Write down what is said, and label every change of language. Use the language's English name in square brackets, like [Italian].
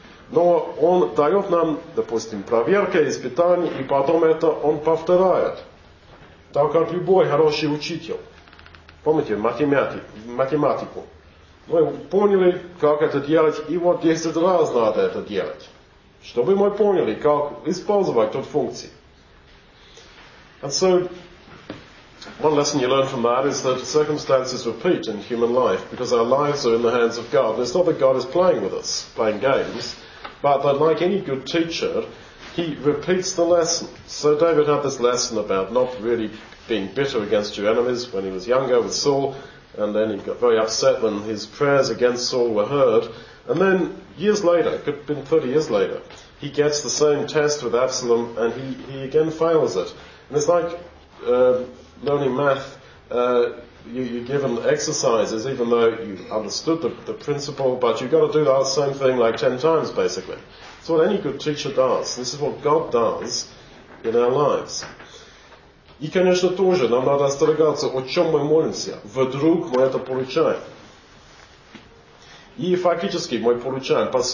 [Russian] Но Он дает нам, допустим, проверка, испытание, и потом это Он повторяет. Так как любой хороший учитель. Помните, математику. Мы поняли, как это делать, и вот 10 раз надо это делать. Чтобы мы поняли, как использовать тот функции. [English] And so, one lesson you learn from that is that circumstances repeat in human life because our lives are in the hands of God. And it's not that God is playing with us, playing games, but that like any good teacher, He repeats the lesson. So David had this lesson about not really being bitter against your enemies when he was younger with Saul, and then he got very upset when his prayers against Saul were heard. And then years later, it could have been 30 years later, he gets the same test with Absalom and he again fails it. And it's like learning math. You're given exercises, even though you understood the principle, but you've got to do that same thing like 10 times, basically. It's what any good teacher does. This is what God does in our lives. [Russian] И, конечно, тоже нам надо остерегаться, о чем мы молимся. Вдруг мы это получаем. И фактически мы получаем.